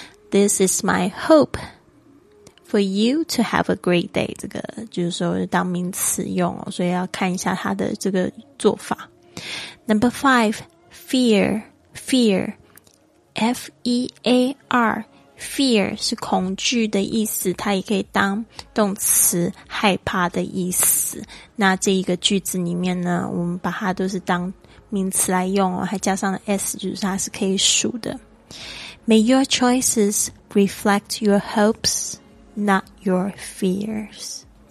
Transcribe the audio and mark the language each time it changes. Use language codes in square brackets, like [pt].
[en] This is my hope for you to have a great day. [zh] 这个就是说当名词用，所以要看一下它的这个做法。 [en] Number five, fear, fear, F-E-A-R, fear [zh] 是恐惧的意思，它也可以当动词害怕的意思。那这一个句子里面呢，我们把它都是当名词来用哦，还加上了 s， 就是它是可以数的。 [en] May your choices reflect your hopes, not your fears.